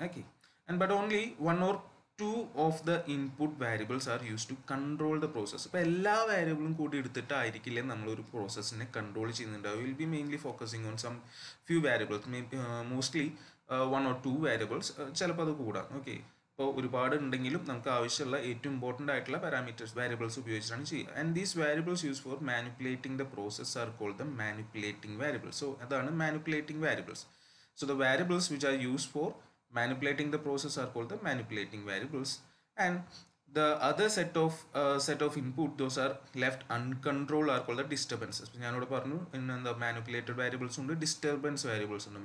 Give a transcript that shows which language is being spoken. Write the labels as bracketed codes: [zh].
[en] Okay, and but only one or two of the input variables are used to control the process. [ml] അപ്പോൾ എല്ലാ വേരിയബിളും കൂടി എടുത്തിട്ടായിരിക്കില്ല നമ്മൾ ഒരു പ്രോസസ്സിനെ control ചെയ്യുന്നുണ്ടാവുക. [en] will be mainly focusing on some few variables, may mostly one or two variables, [ml] ചിലപ്പോൾ അത് കൂടാം. Okay, ഇപ്പോൾ ഒരുപാട് ഉണ്ടെങ്കിലും നമുക്ക് ആവശ്യമുള്ള ഏറ്റവും ഇമ്പോർട്ടൻ്റ് ആയിട്ടുള്ള പാരാമീറ്റേഴ്സ് വേരിയബിൾസ് ഉപയോഗിച്ചിട്ടാണ് ചെയ്യുക. [en] And these variables use for manipulating the process are called the manipulating variables. [ml] So അതാണ് manipulating variables. [en] So the variables which are use for manipulating the process are called the manipulating variables, and the other set of input, those are left uncontrolled, are called the disturbances. [ml] ഞാനോട് പറഞ്ഞു ഇന്ന [en] the manipulated variables [ml] ഉണ്ട്, disturbance variables ഉണ്ട്.